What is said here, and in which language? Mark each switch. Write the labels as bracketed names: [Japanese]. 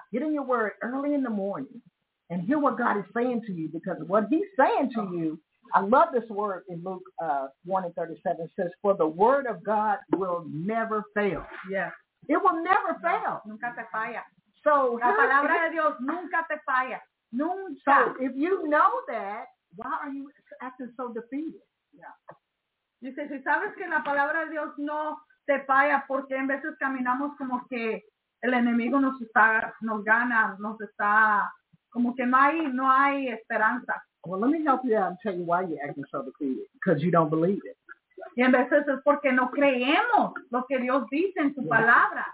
[English] Get in your word early in the morning and hear what God is saying to you, because what he's saying to you, I love this word in Luke 1:37. It says, for the word of God will never fail. Yeah. It will never fail. [Spanish] Nunca te falla. [English] So [Spanish] la palabra de Dios nunca te falla. Nunca. [English] So if you know that, why are you acting so defeated? Yeah. [Spanish] Dice, si sabes que la palabra de Dios no te falla, porque en veces caminamos como que el enemigo nos gana, como que no hay esperanza. [English] Well, let me help you out and tell you why you're acting so defeated. Because you don't believe it. [Spanish] Y en veces es porque no creemos lo que Dios dice en su palabra.